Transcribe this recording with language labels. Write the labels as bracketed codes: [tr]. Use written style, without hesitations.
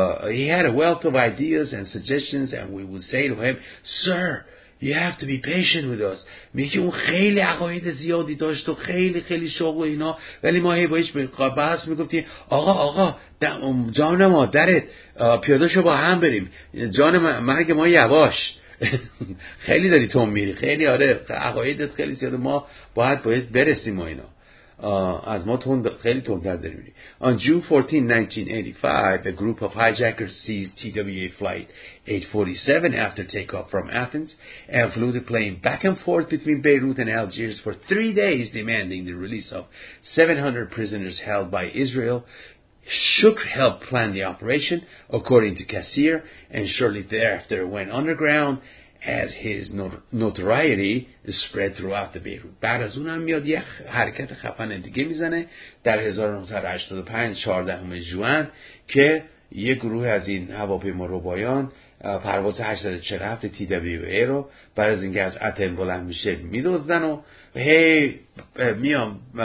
[en] He had a wealth of ideas and suggestions and we would say to him, Sir, you have to be patient with us. [fa] میگه اون خیلی عقاید زیادی داشت و خیلی خیلی شوق و اینا ولی ما هی بایش بحث میگفتیم آقا جان مادرت پیاده شو با هم بریم جان مرگ ما یواش خیلی داری تون میری، خیلی آره عقایدت خیلی زیاده، ما باید برسیم و اینا، از ما خیلی تندتر داری میری. [en] On June 14, 1985, a group of hijackers seized TWA flight 847 after takeoff from Athens and flew the plane back and forth between Beirut and Algiers for 3 days demanding the release of 700 prisoners held by Israel. Shook helped plan the operation, according to Kassir, and shortly thereafter went underground as his notoriety spread throughout the Beirut. [fa] بعد از اون هم میاد یه حرکت خفن دیگه میزنه در 1985 14 ژوئن که یه گروه از این هواپیما ربایان پرواز 847 TWA رو بعد از اینکه از آتن بلند میشه میدوزن و هی میام